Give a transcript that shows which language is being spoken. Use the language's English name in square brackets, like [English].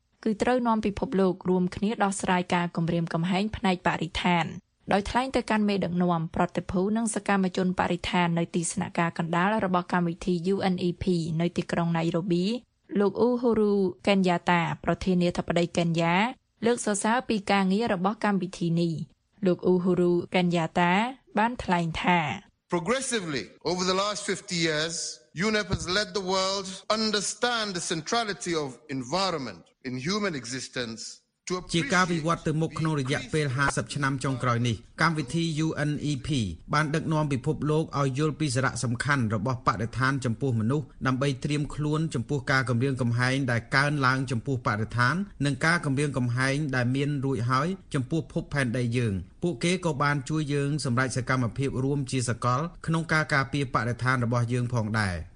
[Khmer] គឺត្រូវនាំពិភពលោករួមគ្នាដោះស្រាយការគំរាមកំហែងផ្នែកបរិស្ថានដោយថ្លែងទៅកាន់មេដឹកនាំប្រតិភូនិងសកម្មជនបរិស្ថាននៅទីស្នាក់ការកណ្ដាលរបស់កម្មវិធី UNEP នៅទីក្រុងណៃរ៉ូប៊ីលោក Uhuru Kenyatta ប្រធានាធិបតី Kenya លើកសរសើរពីការងាររបស់កម្មវិធីនេះលោក Uhuru Kenyatta បានថ្លែងថា [English] Progressively over the last 50 years UNEP has led the world understand the centrality of environment in human existence. [Khmer] ជាការវិវត្តទៅមុខក្នុងរយៈពេល50ឆ្នាំចុងក្រោយនេះកម្មវិធី UNEP បានដឹកនាំពិភពលោកឲ្យយល់ពីសារៈសំខាន់របស់បរិស្ថានចំពោះមនុស្សដើម្បីត្រៀមខ្លួនចំពោះការគម្រាមកំហែងដែលកើនឡើងចំពោះបរិស្ថាននិងការគម្រាមកំហែងដែលមានរួចហើយចំពោះភពផែនដីយើងពួកគេក៏បានជួយយើងសម្រេចសកម្មភាពរួមជាសកលក្នុងការការពារបរិស្ថានរបស់យើងផងដែរ